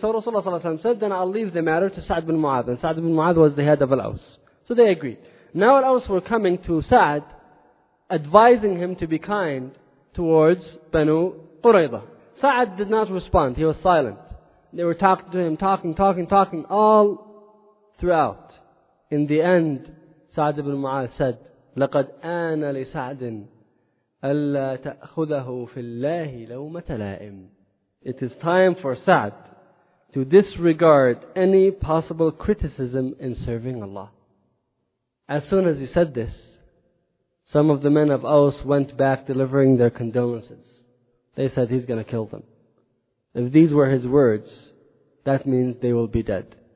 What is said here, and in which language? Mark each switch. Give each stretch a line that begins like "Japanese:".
English: So Rasulullah ﷺ said, then I'll leave the matter to Sa'd bin Mu'adh. And Sa'd bin Mu'adh was the head of Al-Aws. So they agreed. Now Al-Aws were coming to Sa'd, advising him to be kind towards Banu Qurayza. Sa'd did not respond. He was silent. They were talking to him, talking all throughout. In the end, Sa'd bin Mu'adh said,
Arabic: لَقَدْ آنَ لِسَعْدٍ أَلَّا تَأْخُذَهُ فِي اللَّهِ لَوْمَةَ لَائِمٍ.
English: It is time for Sa'd to disregard any possible criticism in serving Allah. As soon as he said this, some of the men of Aus went back delivering their condolences. They said he's going to kill them. If these were his words, that means they will be dead.